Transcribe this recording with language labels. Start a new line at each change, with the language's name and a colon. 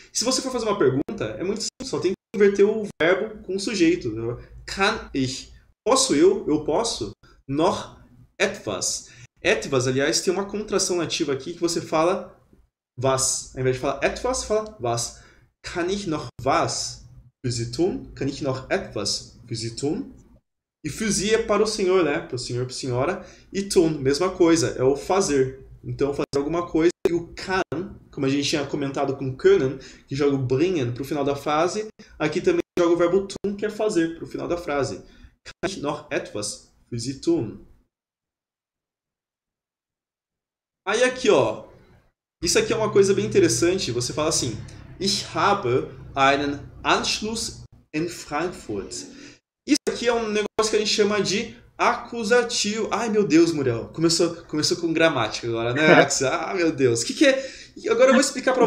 Portuguese: Se você for fazer uma pergunta, é muito simples, só tem que converter o verbo com o sujeito. Kann ich. Posso eu posso?
German: Noch etwas.
Portuguese: Etwas, aliás, tem uma contração nativa aqui que você fala was. Ao invés de falar etwas, fala was.
German: Kann ich noch was? Für Sie tun? Kann ich noch etwas für Sie tun?
Portuguese: E für Sie é para o senhor, né? Para o senhor, para a senhora. E tun, mesma coisa, é o fazer. Então, fazer alguma coisa. E o kann, como a gente tinha comentado com können, que joga o bringen para o final da frase, aqui também joga o verbo tun, que é fazer, para o final da frase.
German: Kann ich noch etwas für Sie tun?
Portuguese: Aí, aqui, ó. Isso aqui é uma coisa bem interessante. Você fala assim:
German: Ich habe einen Anschluss in Frankfurt.
Portuguese: Isso aqui é um negócio que a gente chama de acusativo. Ai, meu Deus, Muriel. Começou com gramática agora, né, Axel? Ah, meu Deus. O que que é? Agora eu vou explicar para